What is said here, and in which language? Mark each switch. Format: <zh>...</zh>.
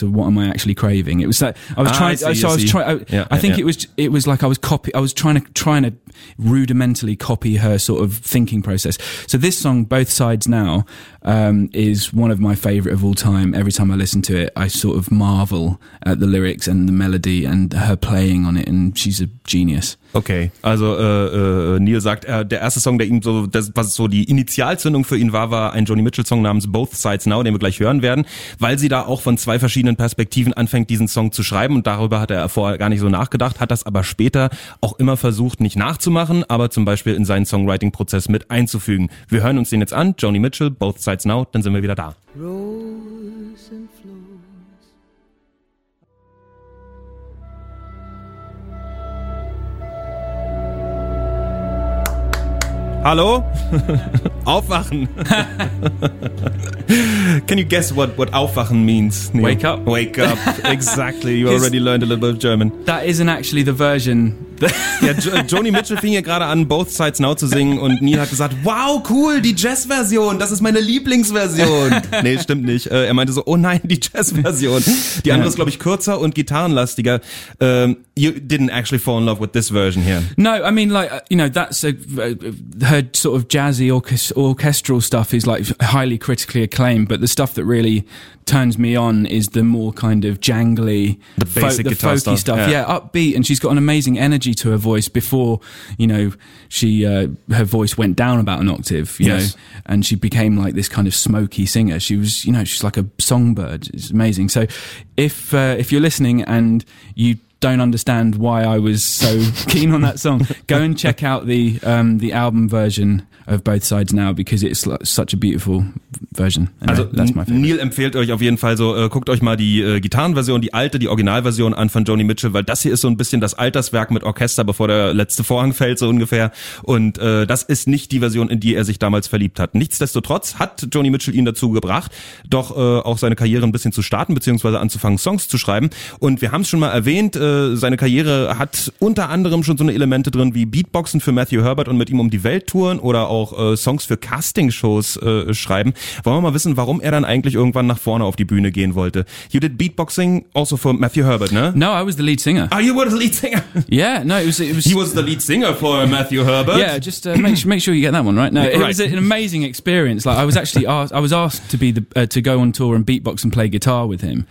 <en>So what am I actually craving? It was like, I was trying to rudimentally copy her sort of thinking process. So this song, Both Sides Now, is one of my favorite of all time. Every time I listen to it, I sort of marvel at the lyrics and the melody and her playing on it. And she's a genius.</en> <de>Okay, also Neil sagt, der erste Song, der ihm so, das, was so die Initialzündung für ihn war, war ein Joni Mitchell Song namens Both Sides Now, den wir gleich hören werden, weil sie da auch von zwei verschiedenen Perspektiven anfängt, diesen Song zu schreiben, und darüber hat er vorher gar nicht so nachgedacht, hat das aber später auch immer versucht, nicht nachzumachen, aber zum Beispiel in seinen Songwriting-Prozess mit einzufügen. Wir hören uns den jetzt an, Joni Mitchell, Both Sides Now, dann sind wir wieder da.</de> <en>Rose and Flow.</en> <de>Hallo? Aufwachen.</de> <en>Can you guess what aufwachen means, Neil? Wake up. Wake up. Exactly. You already learned a little bit of German. That isn't actually the version.</en> <de>Ja, Joni Mitchell fing ja gerade an, Both Sides Now zu singen, und Neil hat gesagt, wow, cool, die Jazz-Version, das ist meine Lieblingsversion. Nee, stimmt nicht. Er meinte so, oh nein, die Jazz-Version. Die andere ist, glaube ich, kürzer und gitarrenlastiger.</de> <en>You didn't actually fall in love with this version here. No, I mean, like, you know, that's her sort of jazzy orchestral stuff is like highly critically acclaimed, but the stuff that really turns me on is the more kind of jangly, the basic guitar folky stuff. Yeah. Yeah, upbeat, and she's got an amazing energy to her voice before, you know, she her voice went down about an octave, you know, and she became like this kind of smoky singer. She was, you know, she's like a songbird. It's amazing. So if you're listening and you don't understand why I was so keen on that song, go and check out the album version of Both Sides Now, because it's such a beautiful version. Anyway, also, that's my favorite.</en> <de>Neil empfiehlt euch auf jeden Fall so, guckt euch mal die Gitarrenversion, die alte, die Originalversion an von Joni Mitchell, weil das hier ist so ein bisschen das Alterswerk mit Orchester, bevor der letzte Vorhang fällt, so ungefähr. Und das ist nicht die Version, in die er sich damals verliebt hat. Nichtsdestotrotz hat Joni Mitchell ihn dazu gebracht, doch auch seine Karriere ein bisschen zu starten, beziehungsweise anzufangen, Songs zu schreiben. Und wir haben es schon mal erwähnt, seine Karriere hat unter anderem schon so eine Elemente drin wie Beatboxen für Matthew Herbert und mit ihm um die Welt touren oder auch Songs für Castingshows schreiben. Wollen wir mal wissen, warum er dann eigentlich irgendwann nach vorne auf die Bühne gehen wollte?</de> <en>You did beatboxing also for Matthew Herbert, ne? No, I was the lead singer. Oh, you were the lead singer? Yeah, no, it was... He was the lead singer for Matthew Herbert. Yeah, just make sure you get that one right. No, it right. was an amazing experience. Like, I was actually asked to be to go on tour and beatbox and play guitar with him.</en>